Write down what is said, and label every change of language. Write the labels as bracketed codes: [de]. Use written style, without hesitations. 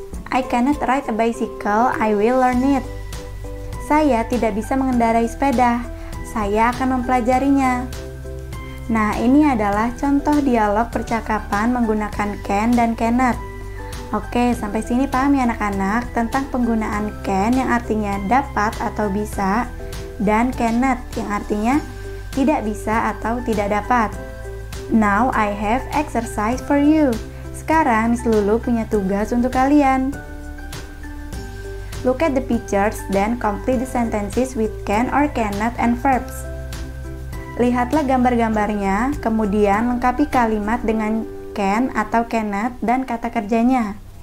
[en] I cannot ride a bicycle, I will learn it. [id] Saya tidak bisa mengendarai sepeda, saya akan mempelajarinya. Nah, ini adalah contoh dialog percakapan menggunakan can dan cannot. Oke, sampai sini paham ya anak-anak tentang penggunaan can yang artinya dapat atau bisa dan cannot yang artinya tidak bisa atau tidak dapat. [en] Now I have exercise for you. [id] Sekarang Miss Lulu punya tugas untuk kalian. [en] Look at the pictures, then complete the sentences with can or cannot and verbs. [id] Lihatlah gambar-gambarnya, kemudian lengkapi kalimat dengan can atau cannot dan kata kerjanya.